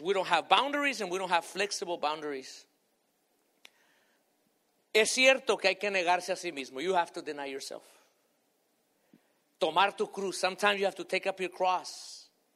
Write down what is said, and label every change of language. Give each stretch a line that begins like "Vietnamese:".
English: We don't have boundaries and we don't have flexible boundaries.
Spanish: Es cierto que hay que negarse a sí mismo.
English: You have to deny yourself.
Spanish: Tomar tu cruz.
English: Sometimes you have to take up your cross.